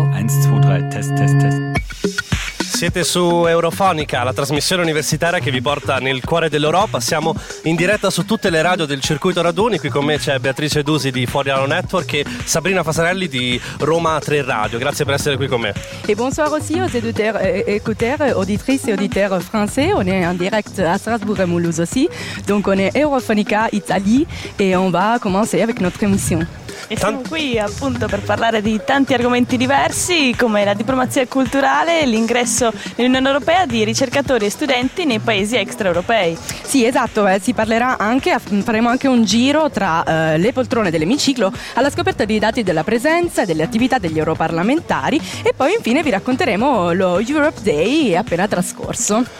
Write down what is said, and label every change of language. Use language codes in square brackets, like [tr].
[en] 1, 2, 3, test, test, test. [it] Siete su Europhonica, la trasmissione universitaria che vi porta nel cuore dell'Europa. Siamo in diretta su tutte le radio del circuito Raduni. Qui con me c'è Beatrice Dusi di Fuori Radio Network e Sabrina Fasarelli di Roma 3 Radio. Grazie per essere qui con me. [fr] E bonsoir aussi aux écouteurs, auditrices et auditeurs français. On est en direct à Strasbourg et Mulhouse aussi. Donc on est Europhonica Italie et on va commencer avec notre émission. [it] E siamo qui appunto per parlare di tanti argomenti diversi come la diplomazia culturale, l'ingresso nell'Unione Europea di ricercatori e studenti nei paesi extraeuropei. Sì, esatto, si parlerà anche, faremo anche un giro tra le poltrone dell'emiciclo alla scoperta dei dati della presenza e delle attività degli europarlamentari e poi infine vi racconteremo lo Europe Day appena trascorso.